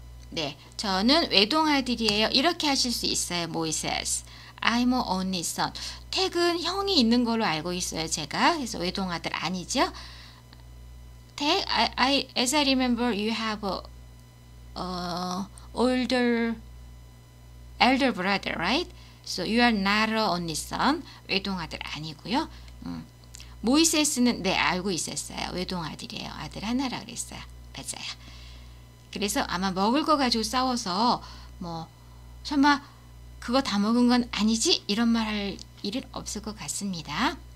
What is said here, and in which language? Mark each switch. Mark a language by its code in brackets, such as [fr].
[ko] 네, 저는 외동아들이에요. 이렇게 하실 수 있어요. Moises. [en] I'm a only son. [ko] 택은 형이 있는 걸로 알고 있어요. 제가. 그래서 외동아들 아니죠? [en] As I remember, you have an elder brother, right? So you are not an only son, [ko] 외동아들 아니고요. 모이세스는 네 알고 있었어요. 외동아들이에요. 아들 하나라 그랬어요. 맞아요. 그래서 아마 먹을 거 가지고 싸워서 뭐 설마 그거 다 먹은 건 아니지? 이런 말 할 일은 없을 것 같습니다.